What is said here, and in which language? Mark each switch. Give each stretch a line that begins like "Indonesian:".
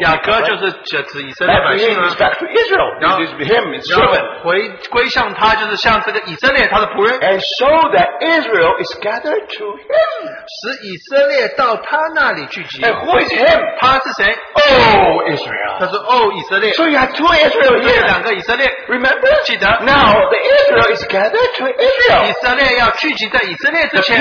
Chinese: 雅各就是指以色列百姓啊,
English: back to Israel. This is him, his servant. And so that Israel is gathered to him.
Chinese: 使以色列到他那里聚集,
English: and who is him?
Chinese: 他是谁?
English: Oh, Israel.
Chinese: 他说, oh, 以色列,
English: so you have two Israel here.
Chinese: 两个以色列,
English: remember?
Chinese: 记得,
English: now the Israel is gathered to Israel.
Chinese: 以色列要聚集在以色列之前,